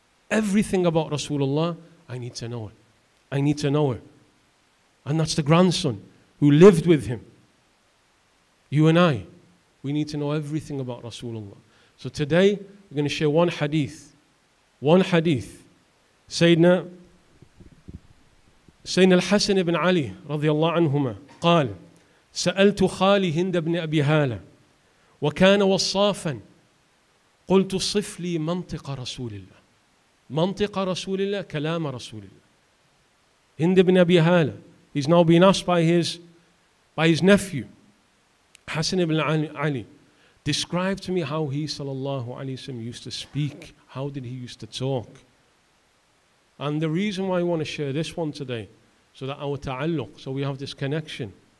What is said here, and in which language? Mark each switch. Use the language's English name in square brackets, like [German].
[English] Everything about Rasulullah, I need to know it. I need to know it. And that's the grandson who lived with him. You and I, we need to know everything about Rasulullah. So today, we're going to share one hadith. One hadith. [Arabic] Sayyidina Al-Hasan ibn Ali, radiallahu anhuma, قال, سألت خالي هند بن أبي هالة وكان وصافا قلت صف لي منطق رسول الله. منطق رسول الله, كلام رسول الله. [English] هند بن أبي هالة, he's now being asked by his nephew, Hassan ibn Ali, describe to me how he sallallahu alayhi wa sallam used to speak. How did he used to talk? And the reason why I want to share this one today, so that our ta'alluq, so we have this connection.